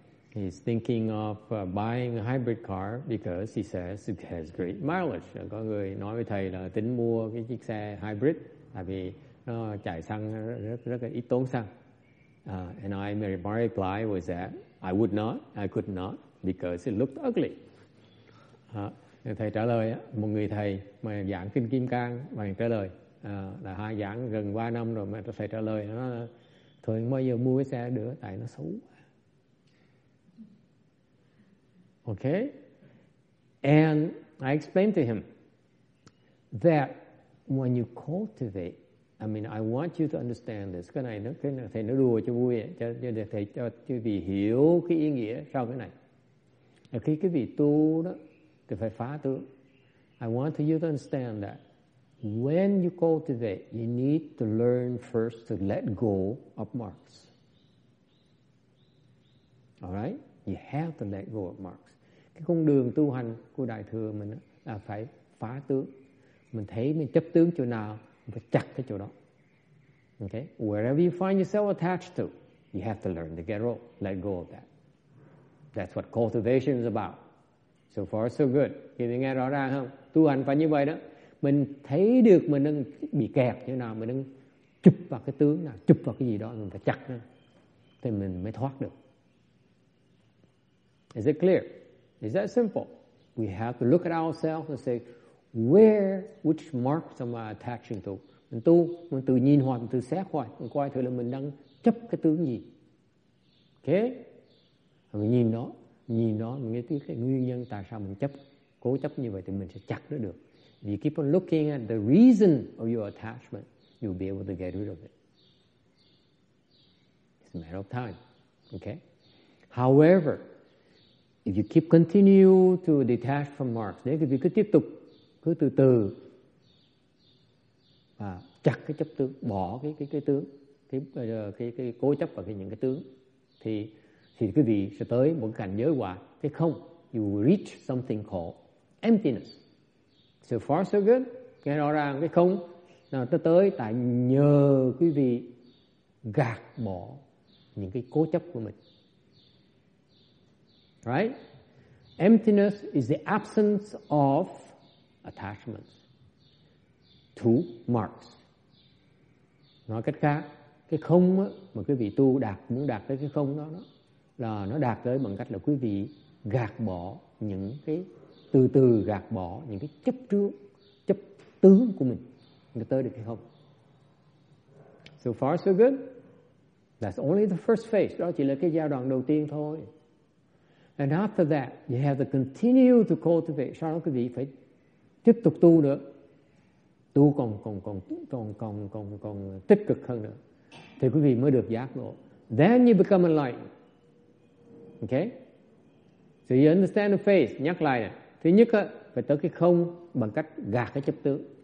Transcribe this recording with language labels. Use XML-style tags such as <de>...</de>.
<en>He's thinking of buying a hybrid car because he says it has great mileage.</en> <vi>Có người nói với thầy là tính mua cái chiếc xe hybrid tại vì Chạy sang rất là ít tốn xăng.</vi> <en>And I my reply was that I would not, I could not, because it looked ugly.</en> <vi>Thầy trả lời, một người thầy mà giảng kinh Kim Cang, và trả lời là hai giảng gần 3 năm rồi mà thầy trả lời nó thôi bây giờ mua cái xe được tại nó xấu.</vi> <en>Okay, and I explained to him that when you cultivate, I mean, I want you to understand this.</en> <vi>Cái này thầy nói đùa cho vui, cho thầy cho quý vị hiểu cái ý nghĩa sau cái này. Khi quý vị tu đó, thì phải phá tướng.</vi> <en>I want you to understand that when you cultivate, you need to learn first to let go of marks. All right? You have to let go of marks.</en> <vi>Cái con đường tu hành của Đại Thừa mình là phải phá tướng. Mình thấy mình chấp tướng chỗ nào, phải chặt cái chỗ đó.</vi> <en>Okay? Wherever you find yourself attached to, you have to learn to get off, let go of that. That's what cultivation is about. So far, so good.</en> <vi>Thì mình nghe rõ ràng không? Tu hành phải như vậy đó. Mình thấy được mình đang bị kẹt như nào, mình đang chụp vào cái tướng nào, chụp vào cái gì đó, mình phải chặt nó. Thì mình mới thoát được.</vi> <en>Is it clear? Is that simple? We have to look at ourselves and say, where, which marks am I attaching to?</en> <vi>Mình tu, mình tự nhìn hoặc tự xét hoặc, mình coi thử là mình đang chấp cái tướng gì. Okay? Mình nhìn nó, mình nghĩ cái nguyên nhân tại sao mình chấp, cố chấp như vậy thì mình sẽ chặt nó được.</vi> <en>If you keep on looking at the reason of your attachment, you'll be able to get rid of it. It's a matter of time. Okay? However, if you keep continue to detach from marks,</en> <vi>nếu quý vị cứ tiếp tục, cứ từ từ và chặt cái chấp tướng, bỏ cái tướng, cái cố chấp và cái những cái tướng, thì quý vị sẽ tới một cảnh giới quả, cái không,</vi> <en>you will reach something called emptiness. So far so good,</en> <vi>nghe rõ ràng cái không nào tới tới tại nhờ quý vị gạt bỏ những cái cố chấp của mình.</vi> <en>Right? Emptiness is the absence of attachments to marks.</en> <vi>Nói cách khác, cái không mà quý vị tu đạt, muốn đạt tới cái không đó, là nó đạt tới bằng cách là quý vị gạt bỏ những cái, từ từ gạt bỏ những cái chấp trước, chấp tướng của mình, để tới được cái không.</vi> <en>So far so good. That's only the first phase.</en> <vi>Đó chỉ là cái giai đoạn đầu tiên thôi.</vi> <en>And after that, you have to continue to cultivate.</en> <vi>Sau đó quý vị phải tiếp tục tu nữa, tu còn tích cực hơn nữa, thì quý vị mới được giác ngộ.</vi> <en>Then you become enlightened. Okay? So you understand the phase.</en> <vi>Nhắc lại này. Thứ nhất á, phải tới cái không bằng cách gạt cái chấp tướng.</vi>